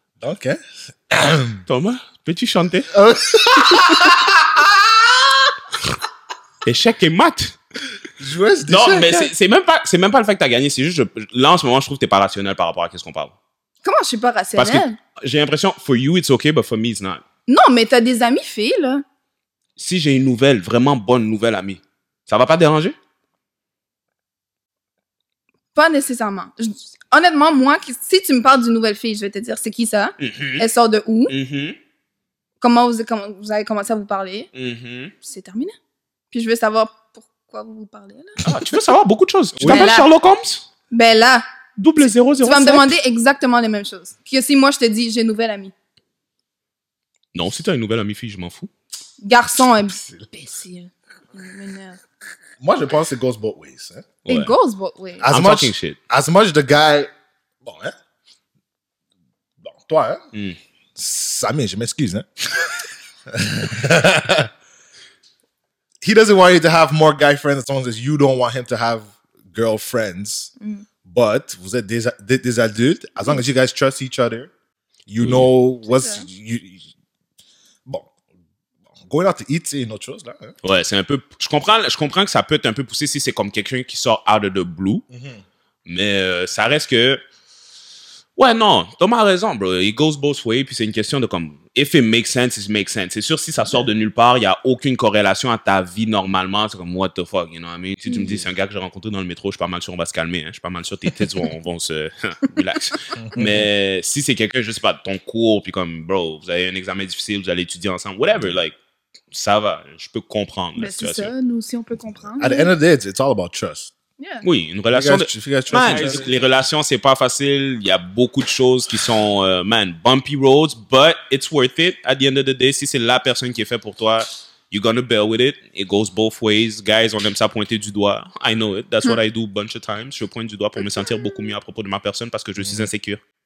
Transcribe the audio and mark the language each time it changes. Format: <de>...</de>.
<fr>OK. Thomas, peux-tu chanter? Échec et mat. Joueuse d'échec. Non, mais c'est même pas le fait que t'as gagné. C'est juste, là, en ce moment, je trouve que t'es pas rationnel par rapport à qu'est-ce qu'on parle. Comment je suis pas rationnelle? Parce que j'ai l'impression,</fr> <en>for you, it's okay, but for me, it's not.</en> <fr>Non, mais t'as des amis filles, là. Si j'ai une nouvelle, vraiment bonne nouvelle amie, ça va pas déranger? Pas nécessairement. Honnêtement, moi, si tu me parles d'une nouvelle fille, je vais te dire, c'est qui ça? Mm-hmm. Elle sort de où? Mm-hmm. Comment vous avez commencé à vous parler? Mm-hmm. C'est terminé. Puis je veux savoir pourquoi vous vous parlez, là. Ah, tu veux savoir beaucoup de choses. Oui. Tu t'appelles Sherlock Holmes? Ben là... 0007. Tu vas me demander exactement les mêmes choses. Que si moi, je te dis, j'ai une nouvelle amie. Non, si t'as une nouvelle amie fille, je m'en fous. Garçon, imbécile. Moi, je pense que</fr> <en>it goes both ways.</en> <fr>Hein?</fr> <en>Ouais. It goes both ways. I'm talking shit. As much the guy...</en> <fr>Bon, hein? Bon, toi, hein? Mm. Samir, je m'excuse, hein?</fr> <en>He doesn't want you to have more guy friends as long as you don't want him to have girlfriends. Mm. But</en> <fr>vous êtes des adultes.</fr> <en>As long as you guys trust each other, you know what's...</en> <fr>Bon,</fr> <en>going out to eat,</en> <fr>c'est une autre chose, là. Hein? Ouais, c'est un peu... Je comprends que ça peut être un peu poussé si c'est comme quelqu'un qui sort</fr> <en>out of the blue. Mm-hmm.</en> <fr>Mais ça reste que... Ouais, non, Thomas a raison, bro.</fr> <en>It goes both ways.</en> <fr>Puis c'est une question de comme...</fr> <en>If it makes sense, it makes sense.</en> <fr>C'est sûr, si ça sort de nulle part, il n'y a aucune corrélation à ta vie normalement. C'est comme,</fr> <en>what the fuck, you know what I mean?</en> <fr>Si tu me dis, c'est un gars que j'ai rencontré dans le métro, je suis pas mal sûr, on va se calmer. Hein? Je suis pas mal sûr, tes têtes vont se... relax. Mais si c'est quelqu'un, je sais pas, ton cours, puis comme, bro, vous avez un examen difficile, vous allez étudier ensemble, whatever, like, ça va, je peux comprendre. Mais c'est ça, nous aussi, on peut comprendre.</fr> <en>At the end of the day, it's all about trust. Yeah.</en> <fr>Oui, une relation les relations, c'est pas facile. Il y a beaucoup de choses qui sont,</fr> <en>bumpy roads, but it's worth it at the end of the day.</en> <fr>Si c'est la personne qui est faite pour toi,</fr> <en>you're gonna bear with it. It goes both ways.</en> <fr>Guys, on aime ça pointer du doigt.</fr> <en>I know it. That's what I do a bunch of times.</en> <fr>Je pointe du doigt pour me sentir beaucoup mieux à propos de ma personne parce que je suis insécure.</fr>